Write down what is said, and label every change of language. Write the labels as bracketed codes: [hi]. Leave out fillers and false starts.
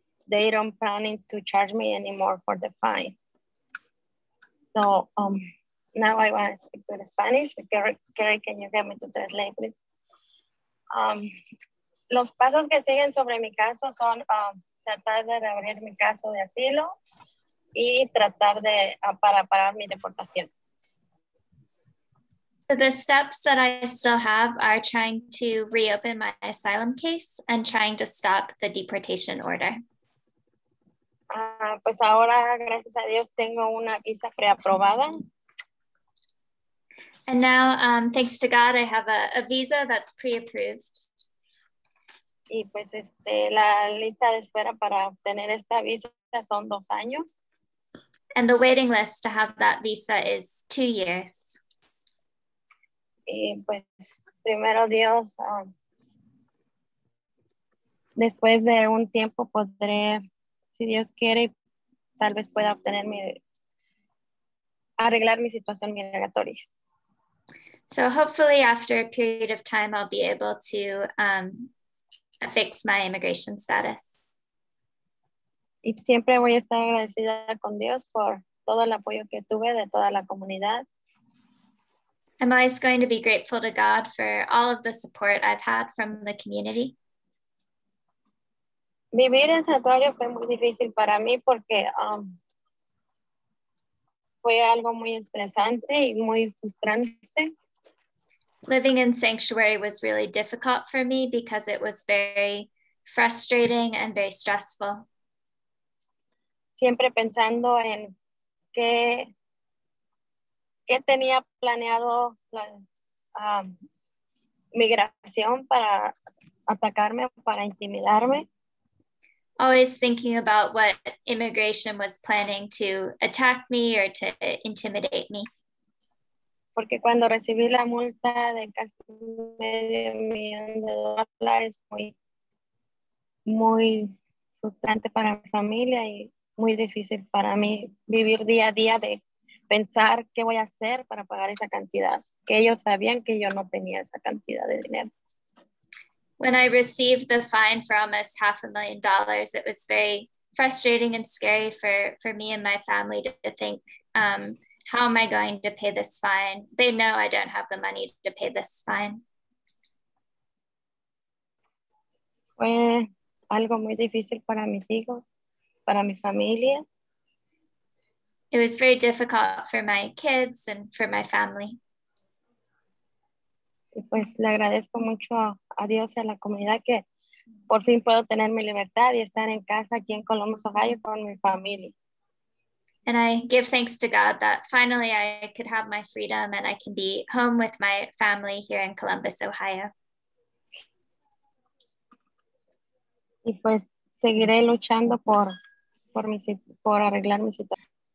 [en] They don't planning to charge me anymore for the fine. So now I want to speak to the Spanish. Carrie, can you get me to translate, please? [es] Los pasos que siguen sobre mi caso son tratar de reabrir mi caso de asilo y tratar de parar mi deportación. [en] So the steps that I still have are trying to reopen my asylum case and trying to stop the deportation order. [es] Pues ahora, gracias a Dios, tengo una visa preaprobada. [en] And now, thanks to God, I have a visa that's pre-approved. [es] Y pues la lista de espera para obtener esta visa son 2 años. [en] And the waiting list to have that visa is 2 years. [es] Y pues primero Dios, después de un tiempo podré, si Dios quiere, tal vez pueda obtener arreglar mi situación migratoria. [en] So hopefully after a period of time, I'll be able to fix my immigration status. [es] Y siempre voy a estar agradecida con Dios por todo el apoyo que tuve de toda la comunidad. [en] I'm always going to be grateful to God for all of the support I've had from the community. [es] Vivir en santuario fue muy difícil para mí porque fue algo muy estresante y muy frustrante. [en] Living in sanctuary was really difficult for me because it was very frustrating and very stressful. [es] Siempre pensando en qué tenía planeado la migración para atacarme, para intimidarme. [en] Always thinking about what immigration was planning to attack me or to intimidate me. [es] Porque cuando recibí la multa de casi $500,000 muy, muy frustrante para mi familia y muy difícil para mí vivir día a día de pensar qué voy a hacer para pagar esa cantidad, que ellos sabían que yo no tenía esa cantidad de dinero. [en] When I received the fine for almost $500,000, it was very frustrating and scary for me and my family to think, how am I going to pay this fine? They know I don't have the money to pay this fine. [es] Fue algo muy difícil para mis hijos, para mi familia. [en] It was very difficult for my kids and for my family. [es] Y pues le agradezco mucho a Dios y a la comunidad que por fin puedo tener mi libertad y estar en casa aquí en Columbus, Ohio con mi familia. [en] And I give thanks to God that finally I could have my freedom and I can be home with my family here in Columbus, Ohio. [es] Y pues seguiré luchando por arreglar mi situación.